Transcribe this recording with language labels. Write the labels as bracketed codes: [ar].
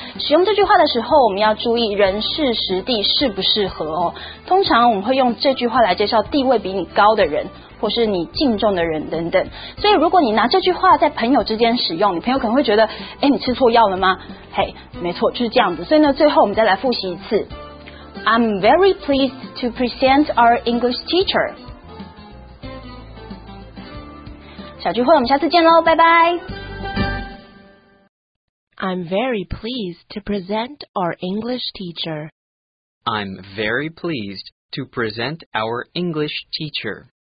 [zh] 使用这句话的时候，我们要注意人事实地适不适合哦。通常我们会用这句话来介绍地位比你高的人，或是你敬重的人等等。所以如果你拿这句话在朋友之间使用，你朋友可能会觉得，哎，你吃错药了吗？嘿，没错，就是这样子。所以呢，最后我们再来复习一次。 [en] I'm very pleased to present our English teacher。 [zh] 小聚会，我们下次见喽，拜拜。 [en] I'm very pleased to present our English teacher. I'm very pleased to present our English teacher.